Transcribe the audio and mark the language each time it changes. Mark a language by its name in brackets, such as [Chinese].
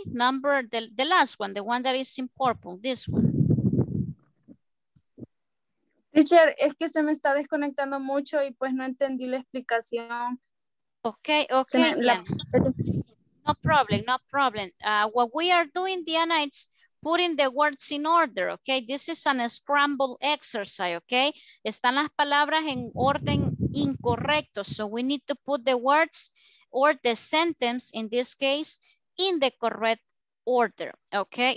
[English] Number, the last one, the one that is in purple, this one. [Spanish] Teacher, es que se me está desconectando mucho y pues no entendí la explicación. [English] Okay, okay, Diana. No problem. What we are doing, Diana, it's putting the words in order, okay? This is an scramble exercise, okay? [Spanish] Están las palabras en orden incorrecto, [English] so we need to put the words or the sentence, in this case, in the correct order, okay?